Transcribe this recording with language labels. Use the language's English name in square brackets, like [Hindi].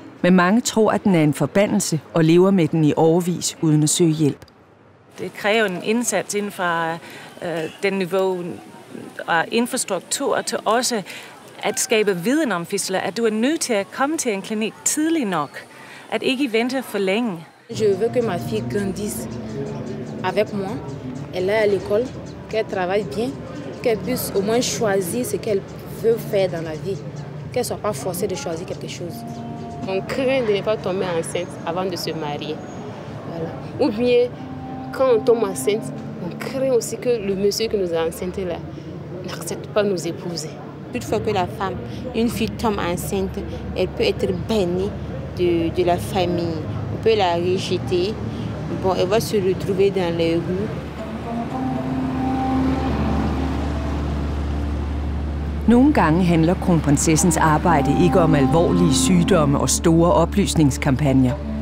[Danish] Men mange tror, at den er en forbandelse og lever med den i årevis uden at søge hjælp. Det kræver en indsats inden for den niveau og infrastruktur til også at skabe viden om fistula, at du er nødt til at komme til en klinik tidlig nok, at ikke vente for længe. [French] Jeg vil, at min fille grandisse avec moi. Elle est à l'école, qu'elle travaille bien, qu'elle puisse au moins choisir ce qu'elle veut faire dans la vie, qu'elle soit pas forcée de choisir quelque chose. On craint de ne pas tomber enceinte avant de se marier. Voilà. Ou bien, quand on tombe enceinte, on craint aussi que le monsieur qui nous a enceinte là n'accepte pas nous épouser. Toutefois que la femme, une fille tombe enceinte, elle peut être bannie de la famille. On peut la rejeter. Bon, elle va se retrouver dans les rues. [Danish] Nogle gange handler kronprinsessens arbejde ikke om alvorlige sygdomme og store oplysningskampagner.